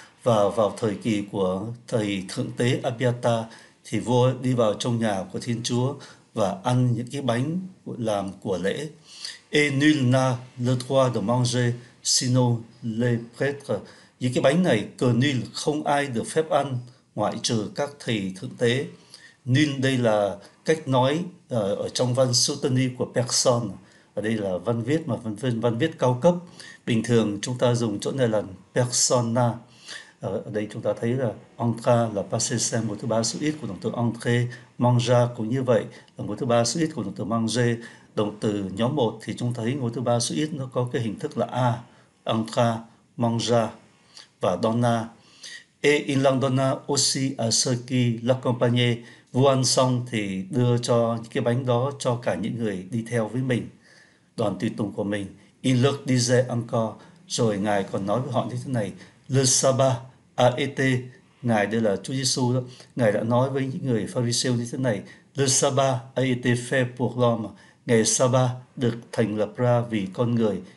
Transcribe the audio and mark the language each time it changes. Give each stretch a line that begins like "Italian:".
Vietnamese: Và vào thời kỳ của thầy thượng tế Abiathar thì vua đi vào trong nhà của Thiên Chúa và ăn những cái bánh làm của lễ.
French: Et nul n'a le droit de manger sinon le prêtre.
Vietnamese: Những cái bánh này cờ nul không ai được phép ăn ngoại trừ các thầy thượng tế. Nul đây là cách nói ở trong văn Sultani của Persson. Ở đây là văn viết mà văn viết cao cấp. Bình thường chúng ta dùng chỗ này là persona. Ở đây chúng ta thấy là entra là passé simple, ngôi thứ ba sự ít của động từ entrer, mangea cũng như vậy là ngôi thứ ba sự ít của động từ manger. Động từ nhóm 1 thì chúng ta thấy ngôi thứ ba sự ít nó có cái hình thức là a, entra, mangea và donna.
French: Et il en donna aussi à ceux qui l'accompagnaient.
Vietnamese: Vua ăn xong thì đưa cho cái bánh đó cho cả những người đi theo với mình, đoàn tùy tùng của mình.
French: Il leur disait encore,
Vietnamese: rồi ngài còn nói với họ như thế này:
French: Le sabbat a été,
Vietnamese: ngài đây là Chúa Giêsu đó, ngài đã nói với những người Pharisêu như thế này:
French: Le sabbat a été fait pour l'homme,
Vietnamese: ngày sabbat được thành lập ra vì con người.